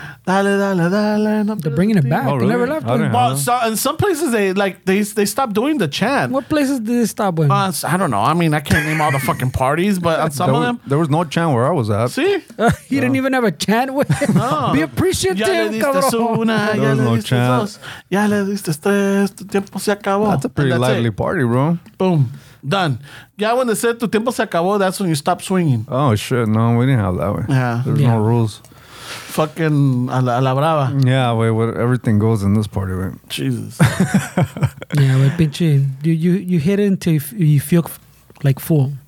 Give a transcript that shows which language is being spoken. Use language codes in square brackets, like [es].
[es] Dale, dale, dale. [en] They're bringing it back. Oh, really? Never left. In some places, they stopped doing the chant. What places did they stop with? I don't know. I mean, I can't name all the fucking parties, but on some of them. There was no chant where I was at. See? You didn't even have a chant with it. Be appreciative, cabrón. There was no chant. [es] Ya le diste tres, tu tiempo se acabó. [en] That's a pretty lively party, bro. Boom. Done. Yeah, when they said [es] tu tiempo se acabó, [en] that's when you stop swinging. Oh, shit. No, we didn't have that way. Yeah. There's no rules. [es] Fucking a la brava. [en] Yeah, wait, what, everything goes in this party, right? Jesus. Yeah, but pinche, you hit it until you feel like full.